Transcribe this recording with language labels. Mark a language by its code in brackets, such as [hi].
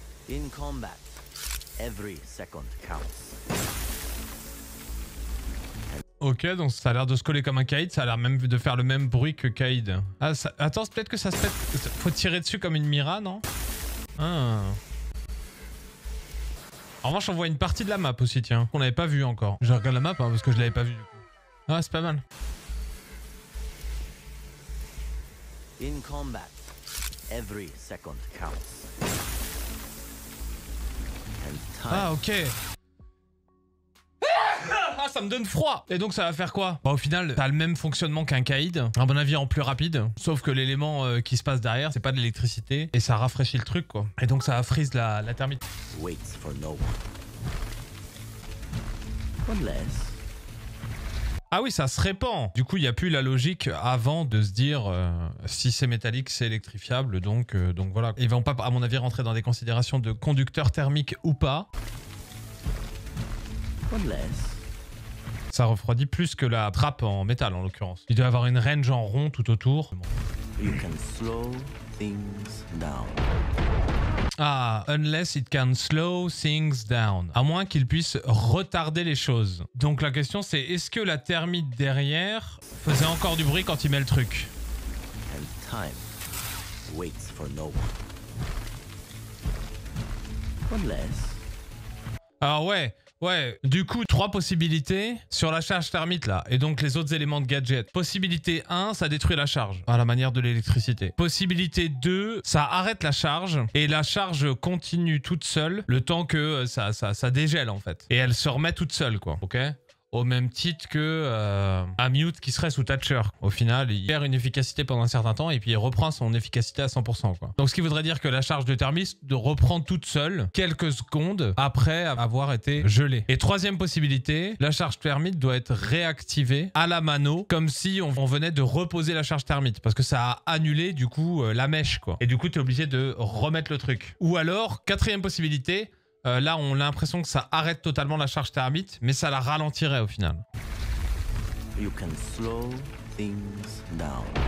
[en] In combat, every second counts. [fr] Ok, donc ça a l'air de se coller comme un Kaïd, ça a l'air même de faire le même bruit que Kaïd. Ah, ça... attends, peut-être que ça se fait... Faut tirer dessus comme une Mira, non? Ah. En revanche, on voit une partie de la map aussi, tiens. On l'avait pas vu encore. Je regarde la map, hein, parce que je l'avais pas vu. Ah, c'est pas mal. [en] In combat, every second counts. And time... Ah, ok. [fr] Ah, ça me donne froid. Et donc ça va faire quoi? Bah au final, t'as le même fonctionnement qu'un Kaïd, à mon avis en plus rapide, sauf que l'élément qui se passe derrière, c'est pas de l'électricité, et ça rafraîchit le truc, quoi. Et donc ça va freeze la thermite. [en] Wait for no one. [fr] Unless... Ah oui, ça se répand. Du coup, il n'y a plus la logique avant de se dire si c'est métallique, c'est électrifiable, donc voilà. Ils vont pas, à mon avis, rentrer dans des considérations de conducteur thermique ou pas. [en] Unless... [fr] Ça refroidit plus que la trappe en métal, en l'occurrence. Il doit avoir une range en rond tout autour. [en] You can slow things down. Ah, unless it can slow things down. [fr] À moins qu'il puisse retarder les choses. Donc la question c'est, est-ce que la thermite derrière faisait encore du bruit quand il met le truc? [en] And time waits for no one. Unless... [fr] Alors ouais. Ouais, du coup, trois possibilités sur la charge thermite, là. Et donc, les autres éléments de gadget. Possibilité 1, ça détruit la charge, à la manière de l'électricité. Possibilité 2, ça arrête la charge, et la charge continue toute seule le temps que ça dégèle, en fait. Et elle se remet toute seule, quoi, ok? Au même titre que un mute qui serait sous Thatcher. Au final, il perd une efficacité pendant un certain temps et puis il reprend son efficacité à 100%. Quoi. Donc ce qui voudrait dire que la charge de thermite reprend toute seule quelques secondes après avoir été gelée. Et troisième possibilité, la charge thermite doit être réactivée à la mano comme si on venait de reposer la charge thermite parce que ça a annulé du coup la mèche. Quoi. Et du coup, tu es obligé de remettre le truc. Ou alors, quatrième possibilité, là, on a l'impression que ça arrête totalement la charge thermite, mais ça la ralentirait au final. [en] You can slow things down.